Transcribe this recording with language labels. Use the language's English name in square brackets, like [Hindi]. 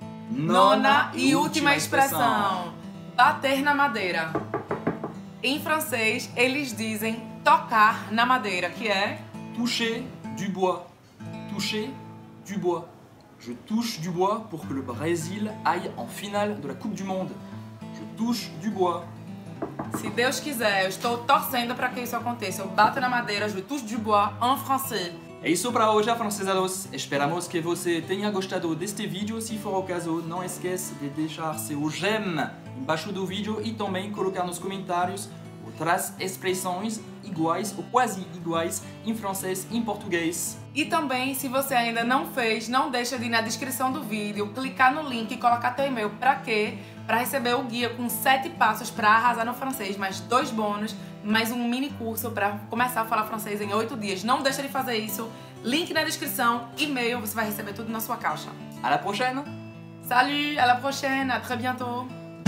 [Portuguese] Nona e última expressão. Bater na madeira. Em francês, eles dizem tocar na madeira, que é... [French] Toucher du bois. Toucher du bois. Je touche du bois pour que le Brésil aille en finale de la Coupe du Monde. Je touche du bois. [Portuguese] Se Deus quiser, eu estou torcendo para que isso aconteça. Eu bato na madeira, [French] je touche du bois en français. [Portuguese] É isso para hoje, a francesados. Esperamos que você tenha gostado deste vídeo. Se for o caso, não esqueça de deixar seu j'aime embaixo do vídeo e também colocar nos comentários outras expressões iguais ou quase iguais em francês e em português. E também, se você ainda não fez, não deixa de ir na descrição do vídeo, clicar no link e colocar teu e-mail pra quê? Pra receber o guia com 7 passos pra arrasar no francês, mais 2 bônus, mais um mini curso pra começar a falar francês em 8 dias. Não deixa de fazer isso. Link na descrição, e-mail, você vai receber tudo na sua caixa. [French] À la prochaine! Salut, à la prochaine, à très bientôt!